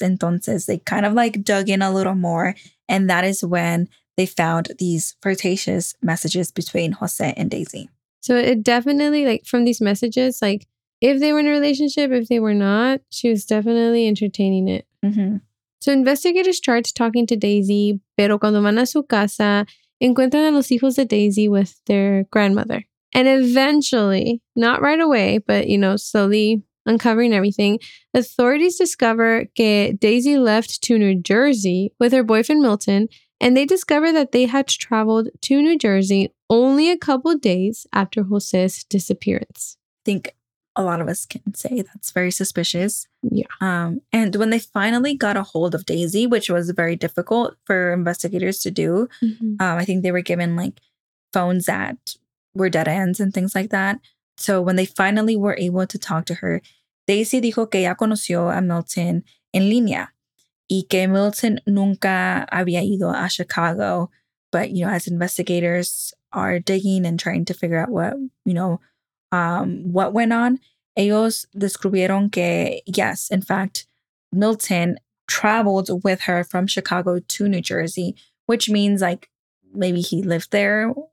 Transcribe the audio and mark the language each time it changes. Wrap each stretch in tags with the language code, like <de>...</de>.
<en>Entonces, they kind of like dug in a little more. And that is when they found these flirtatious messages between Jose and Daisy. So it definitely, like, from these messages, like, if they were in a relationship, if they were not, she was definitely entertaining it. Mm-hmm. So investigators tried talking to Daisy,</en> <es>pero cuando van a su casa, encuentran a los hijos de Daisy</es> <en>with their grandmother. And eventually, not right away, but, you know, slowly uncovering everything, authorities discover que Daisy left to New Jersey with her boyfriend, Milton, and they discover that they had traveled to New Jersey only a couple days after Jose's disappearance. I think a lot of us can say that's very suspicious. Yeah. And when they finally got a hold of Daisy, which was very difficult for investigators to do, I think they were given, like, phones that were dead ends and things like that. So when they finally were able to talk to her,</en> <es>Daisy dijo que ya conoció a Milton en línea y que Milton nunca había ido a Chicago.</es> <en>But, you know, as investigators are digging and trying to figure out what, you know, what went on,</en> <es>ellos descubrieron que,</es> <en>yes, in fact, Milton traveled with her from Chicago to New Jersey, which means, like, maybe he lived there,</en>